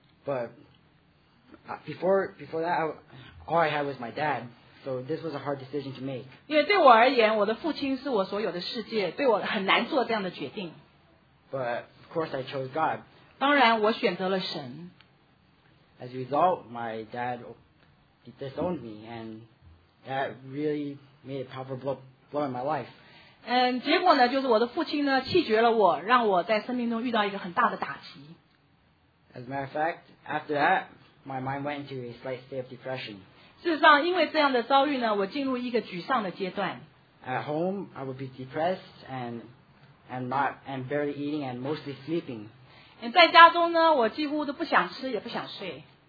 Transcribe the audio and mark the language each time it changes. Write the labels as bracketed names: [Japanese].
[English] But before that, all I had was my dad, so this was a hard decision to make. [Chinese] 因为对我而言，我的父亲是我所有的世界，对我很难做这样的决定。 [English] But of course I chose God. [Chinese] 当然我选择了神。 [English] As a result, my dad disowned me, and that really made a powerful blow in my life. [Chinese] 结果呢，就是我的父亲呢，弃绝了我，让我在生命中遇到一个很大的打击。 [English] As a matter of fact, after that, my mind went into a slight state of depression. [Chinese] 事实上，因为这样的遭遇呢，我进入一个沮丧的阶段。 [English] At home, I would be depressed and barely eating and mostly sleeping. [Chinese] 在家中呢，我几乎都不想吃也不想睡。